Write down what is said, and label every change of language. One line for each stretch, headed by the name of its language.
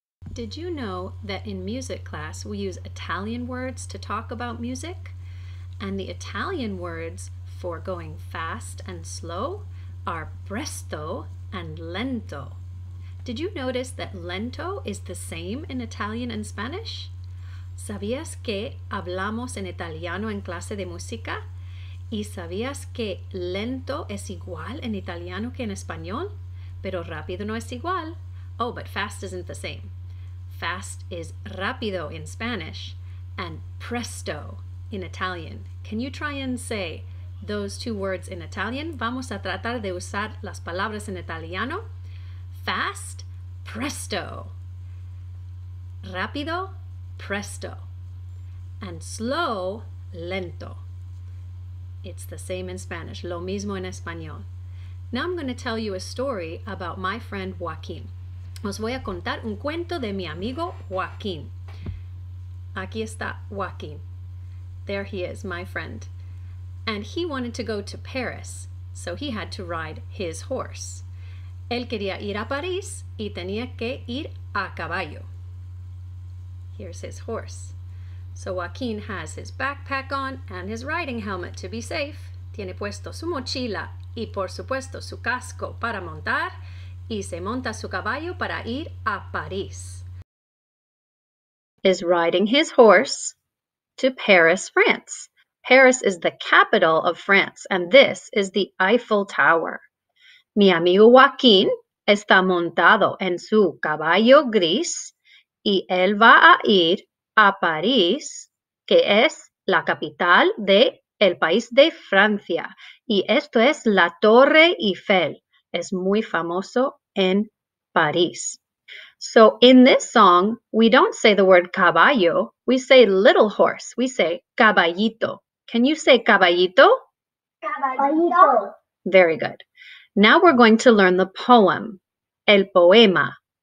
English: Did you know that in music class we use Italian words to talk about music? And the Italian words for going fast and slow are presto and lento. Did you notice that lento is the same in Italian and Spanish?
Spanish: ¿Sabías que hablamos en italiano en clase de música? ¿Y sabías que lento es igual en italiano que en español? Pero rápido no es igual.
English: Oh, but fast isn't the same. Fast is rápido in Spanish and presto in Italian. Can you try and say those two words in Italian?
Spanish: Vamos a tratar de usar las palabras en italiano.
English: Fast, presto. Rápido, presto. And slow, lento. It's the same in Spanish. Lo mismo en español. Now I'm going to tell you a story about my friend Joaquín.
Spanish: Os voy a contar un cuento de mi amigo Joaquín.
English: Aquí está Joaquín. There he is, my friend. And he wanted to go to Paris, so he had to ride his horse.
Spanish: Él quería ir a París y tenía que ir a caballo.
English: Here's his horse. So Joaquín has his backpack on and his riding helmet to be safe.
Spanish: Tiene puesto su mochila y por supuesto su casco para montar. Y se monta su caballo para ir a París.
English: Is riding his horse to Paris, France. Paris is the capital of France, and this is the Eiffel Tower.
Spanish: Mi amigo Joaquín está montado en su caballo gris y él va a ir a París, que es la capital de el país de Francia. Y esto es la Torre Eiffel. Es muy famoso en París.
English: So in this song, we don't say the word caballo. We say little horse. We say caballito. Can you say caballito?
Spanish: Caballito.
English: Very good. Now we're going to learn the poem, el poema.